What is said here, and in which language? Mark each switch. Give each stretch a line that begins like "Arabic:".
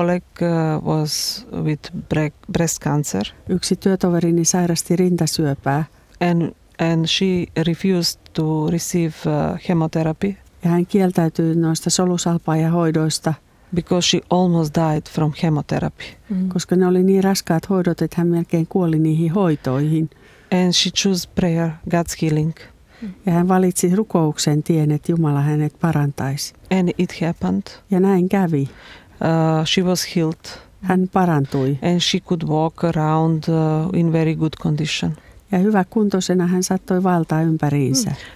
English: One of my colleagues was with breast cancer.
Finnish: Yksi työtoverini sairasti rintasyöpää.
English: And she refused to receive chemotherapy.
Finnish: Ja hän kieltäytyi noista solusalpaajahoidoista.
English: Because she almost died from chemotherapy. Mm-hmm.
Finnish: Koska ne oli niin raskaat hoidot, että hän melkein kuoli niihin hoitoihin.
English: And she chose prayer, God's healing.
Finnish: Ja hän valitsi rukouksen tien, että Jumala hänet parantaisi.
English: And it happened.
Finnish: Ja näin kävi.
English: She was healed.
Finnish: Hän parantui.
English: And she could walk around in very good condition.
Finnish: Ja hyvä kuntoisena hän saattoi valtaa ympäriinsä.